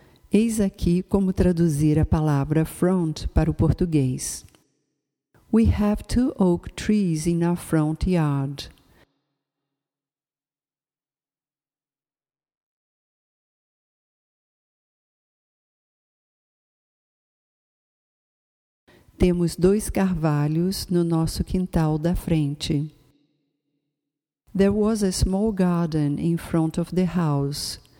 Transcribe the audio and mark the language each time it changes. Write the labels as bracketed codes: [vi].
[pt] Eis aqui como traduzir a palavra front para o português. [en] We have two oak trees in our front yard. [pt] Temos dois carvalhos no nosso quintal da frente. [en] There was a small garden in front of the house.